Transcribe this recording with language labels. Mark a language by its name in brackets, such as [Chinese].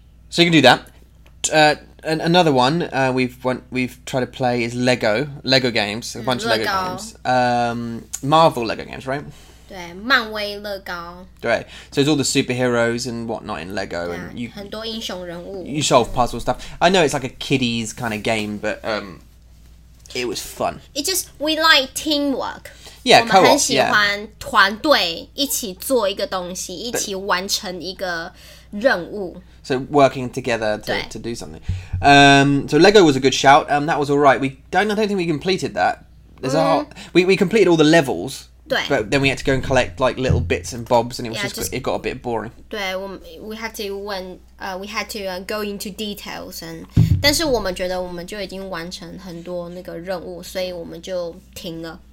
[English] So you can do that. And another one we've tried to play is Lego games, a bunch of Lego games. Marvel Lego games, right? [Chinese] 对，漫威乐高。对， [English] so it's all the superheroes and whatnot in Lego, yeah, and you [Chinese] 很多英雄人物。 [English] You solve puzzle stuff. I know it's like a kiddies kind of game, but it was fun. It just we like teamwork. Yeah, [Chinese] 我们很喜欢团队一起做一个东西，一起完成一个任务。 [English] So working together to do something. So Lego was a good shout. That was all right. I don't think we completed that. There's we completed all the levels. [Chinese] 对. [English] But then we had to go and collect like little bits and bobs, and it got a bit boring. [Chinese] 对, [English] we had to go into details. And [Chinese] 但是我们觉得我们就已经完成很多那个任务，所以我们就停了。